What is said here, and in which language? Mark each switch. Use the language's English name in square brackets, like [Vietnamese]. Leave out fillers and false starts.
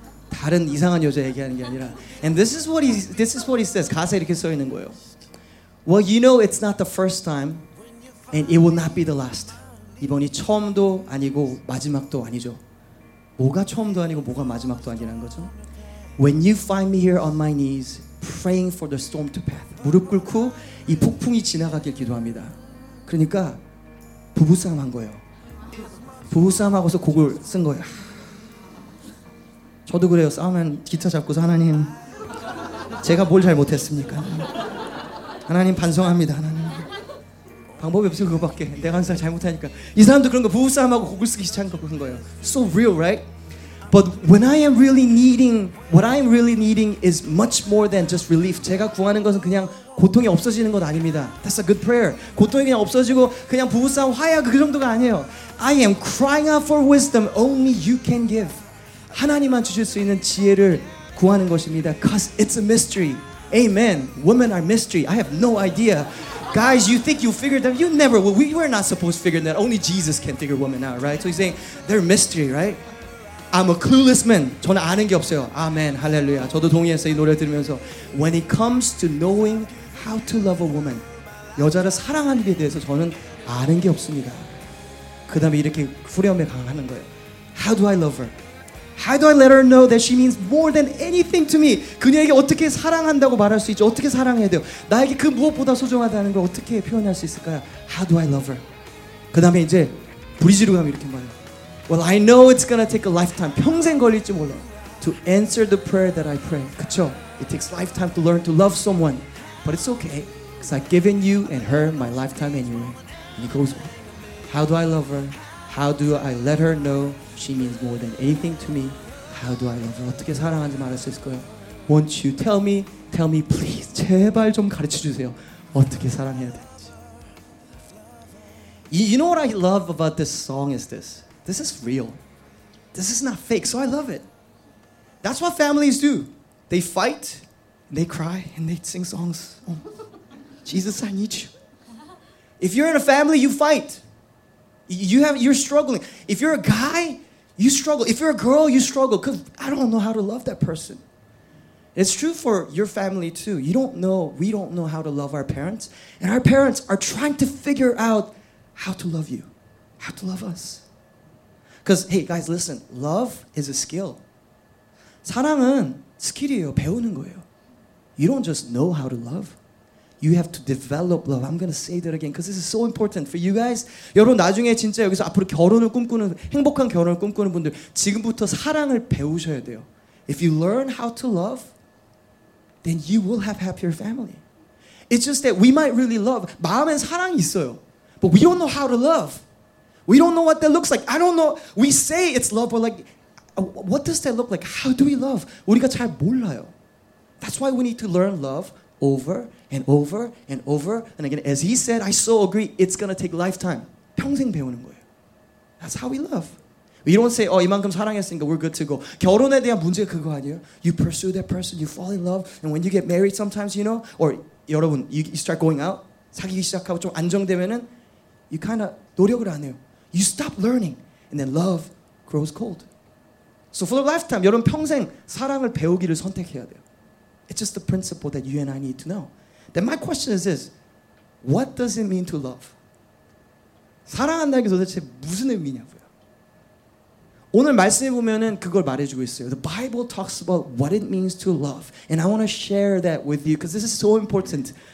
[Korean] 다른 이상한 여자 얘기하는 게 아니라. [English] And this is what he says. [Korean] 가사에 이렇게 써 있는 거예요. [English] Well, you know it's not the first time and it will not be the last. [Korean] 이번이 처음도 아니고 마지막도 아니죠. 뭐가 처음도 아니고 뭐가 마지막도 아니라는 거죠? [English] When you find me here on my knees praying for the storm to pass. [Korean] 무릎 꿇고 이 폭풍이 지나가길 기도합니다. 그러니까 부부싸움 한 거예요. 부부싸움 하고서 곡을 쓴 거예요. 저도 그래요. 싸우면 기타 잡고서 하나님 제가 뭘 잘못했습니까? 하나님 반성합니다. 하나님 방법이 없어요. 그거밖에. 내가 항상 잘못하니까. 이 사람도 그런 거 부부싸움하고 곡을 쓰기 시작한 거 그런 거예요. [English] So real, right? But when I am really needing, what I am really needing is much more than just relief. [Korean] 제가 구하는 것은 그냥 고통이 없어지는 것 아닙니다. [English] That's a good prayer. [Korean] 고통이 그냥 없어지고 그냥 부부싸움 화해하고 그 정도가 아니에요. [English] I am crying out for wisdom only you can give. [Korean] 하나님만 주실 수 있는 지혜를 구하는 것입니다. [English] Because it's a mystery. Amen. Women are mystery. I have no idea. Guys, you think you figured them? You never will. We were not supposed to figure that. Only Jesus can figure women out, right? So he's saying, they're mystery, right? I'm a clueless man. [Korean] 저는 아는 게 없어요. [English] Amen. Hallelujah. [Korean] 저도 동의했어요, 이 노래 들으면서. [English] When it comes to knowing how to love a woman, [Korean] 여자를 사랑하는 게 대해서 저는 아는 게 없습니다. 그 다음에 이렇게 후렴에 강하는 거예요. [English] How do I love her? How do I let her know that she means more than anything to me? [Korean] 그녀에게 어떻게 사랑한다고 말할 수 있죠? 어떻게 사랑해야 돼요? 나에게 그 무엇보다 소중하다는 걸 어떻게 표현할 수 있을까요? [English] How do I love her? [Korean] 그 다음에 이제 브리지로 가면 이렇게 말해요. [English] Well, I know it's gonna take a lifetime. [Korean] 평생 걸릴지 몰라. [English] To answer the prayer that I pray. 그쵸? It takes a lifetime to learn to love someone. But it's okay. Because I've given you and her my lifetime anyway. And he goes, How do I love her? How do I let her know she means more than anything to me? How do I love her? [Korean] 어떻게 사랑하는지 말할 수 있을까요? [English] Won't you tell me please. [Korean] 제발 좀 가르쳐 주세요. 어떻게 사랑해야 되는지. [English] You know what I love about this song is this. This is real. This is not fake, so I love it. That's what families do. They fight, they cry, and they sing songs. Oh, Jesus, I need you. If you're in a family, you fight. You're struggling. If you're a guy, you struggle. If you're a girl, you struggle. Because I don't know how to love that person. It's true for your family too. You don't know, we don't know how to love our parents. And our parents are trying to figure out how to love you. How to love us. Because, hey guys, listen. Love is a skill. [Korean] 사랑은 스킬이에요. 배우는 거예요. [English] You don't just know how to love. You have to develop love. I'm going to say that again because this is so important for you guys. [Korean] 여러분 나중에 진짜 여기서 앞으로 결혼을 꿈꾸는 행복한 결혼을 꿈꾸는 분들 지금부터 사랑을 배우셔야 돼요. [English] If you learn how to love, then you will have happier family. It's just that we might really love. [Korean] 마음엔 사랑이 있어요. [English] But we don't know how to love. We don't know what that looks like. I don't know. We say it's love, but like, what does that look like? How do we love? [Korean] 우리가 잘 몰라요. [English] That's why we need to learn love over and over and over and again. As he said, I so agree, it's gonna take a lifetime. [Korean] 평생 배우는 거예요. [English] That's how we love. We don't say, oh, [Korean] 이만큼 사랑했으니까 [English] we're good to go. [Korean] 결혼에 대한 문제가 그거 아니에요? [English] You pursue that person, you fall in love, and when you get married sometimes, you know, or 여러분, you start going out, [Korean] 사귀기 시작하고 좀 안정되면은 [English] you kind of [Korean] 노력을 안 해요. [English] You stop learning, and then love grows cold. So for the lifetime, [Korean] 여러분 평생 사랑을 배우기를 선택해야 돼요. [English] It's just the principle that you and I need to know. Then my question is this. What does it mean to love? [Korean] 사랑한다는 게 도대체 무슨 의미냐고요? 오늘 말씀해 보면은 그걸 말해주고 있어요. [English] The Bible talks about what it means to love. And I want to share that with you because this is so important.